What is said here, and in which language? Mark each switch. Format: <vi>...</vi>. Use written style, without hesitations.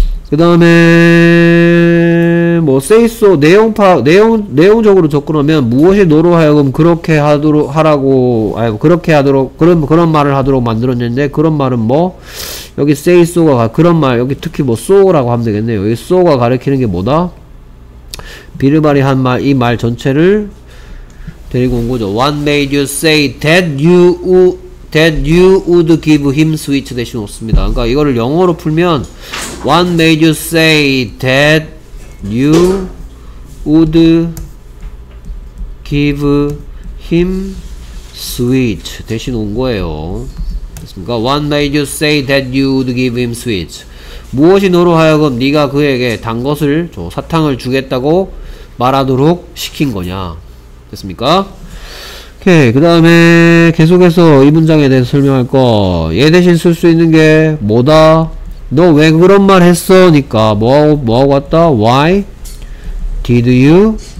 <ko>그 다음에 뭐 say so 내용 파악 내용적으로 접근하면 무엇이 너로 하여금 그렇게 하도록 하라고 아니 그렇게 하도록 그런 말을 하도록 만들었는데 그런 말은 뭐 여기 say so가 그런 말 여기 특히 뭐 so라고 하면 되겠네요. 여기 so가 가리키는 게 뭐다? 빌발이 한 말 이 말 전체를 데리고 온 거죠.</ko> <en>What made you say that you would give him sweet</en> <ko>대신 없습니다. 그러니까 이거를 영어로 풀면</ko> <en>What made you say that you would give him sweet</en> <ko>대신 온 거예요.</ko> <en>그러니까 What made you say that you would give him sweet?</en> <ko>무엇이 너로 하여금 네가 그에게 단 것을 저 사탕을 주겠다고 말하도록 시킨 거냐? 됐습니까? 오케이. 그 다음에 계속해서 이 문장에 대해서 설명할 거. 얘 대신 쓸 수 있는 게 뭐다? 너 왜 그런 말 했어? 니까 뭐하고 왔다?</ko> <en>Why? Did you?</en>